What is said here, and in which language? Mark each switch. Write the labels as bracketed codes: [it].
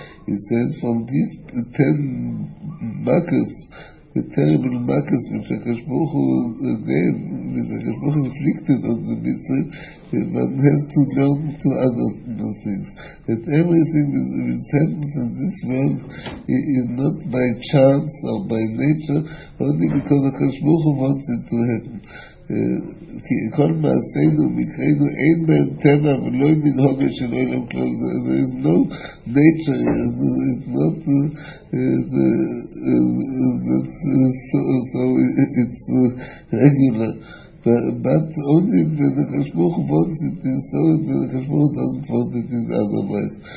[en] He says, from these 10 makas, the terrible makas which HaKadosh Baruch Hu gave, which HaKadosh Baruch Hu inflicted on the Mitzrayim, one has to learn to other things. That everything which happens in this world is not by chance or by nature, only because HaKadosh Baruch Hu wants it to happen. [he] כי כל מעשינו, מקרינו, אין בהם טבע ולא עם מנהוגה של עולם כלום. [en] There is no nature, it's not so it's regular. But only if the HaKadosh Baruch Hu wants it is so, and the HaKadosh Baruch Hu doesn't want it is otherwise.